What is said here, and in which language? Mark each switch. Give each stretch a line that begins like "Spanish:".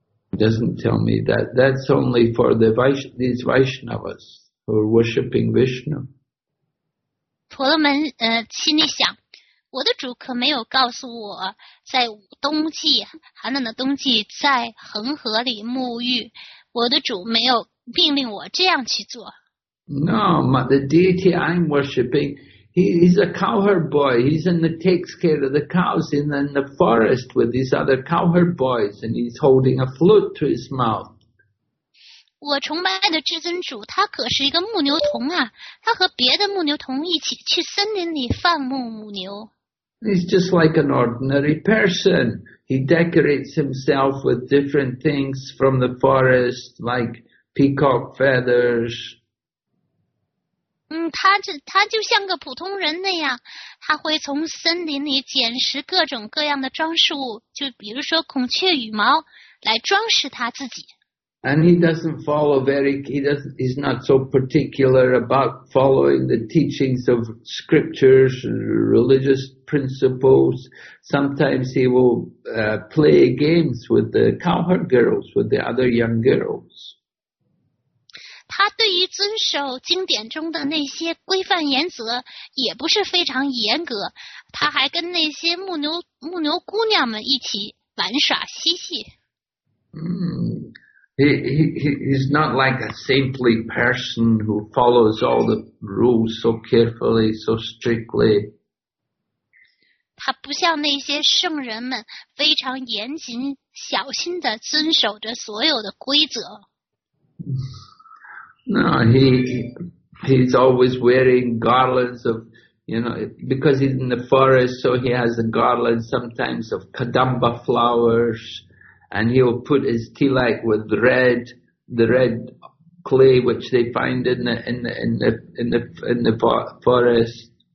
English: He doesn't tell me that. That's only for these Vaishnavas who are worshipping Vishnu.
Chinese: 婆罗门心里想，我的主可没有告诉我在冬季寒冷的冬季在恒河里沐浴，我的主没有命令我这样去做。
English: No, but the deity I'm worshipping, he's a cowherd boy. He's in the takes care of the cows in the forest with these other cowherd boys, and he's holding a flute to his mouth.
Chinese: 我崇拜的至尊主，他可是一个牧牛童啊！他和别的牧牛童一起去森林里放牧牧牛。
English: He's just like an ordinary person. He decorates himself with different things from the forest, like peacock feathers.
Chinese: 他就像个普通人那样，他会从森林里捡拾各种各样的装饰物，就比如说孔雀羽毛来装饰他自己。
English: And he doesn't follow very, he doesn't, he's not so particular about following the teachings of scriptures and religious principles. Sometimes he will, play games with the cowherd girls, with the other young girls.
Chinese: 他对于遵守经典中的那些规范原则也不是非常严格，他还跟那些牧牛姑娘们一起玩耍嬉戏。
English: He's not like a saintly person who follows all the rules so carefully, so strictly.
Chinese: 他不像那些圣人们非常严谨小心地遵守着所有的规则。
English: No, he's always wearing garlands of, you know, because he's in the forest, so he has a garland sometimes of kadamba flowers, and he'll put his tilak with the red clay which they find in the forest.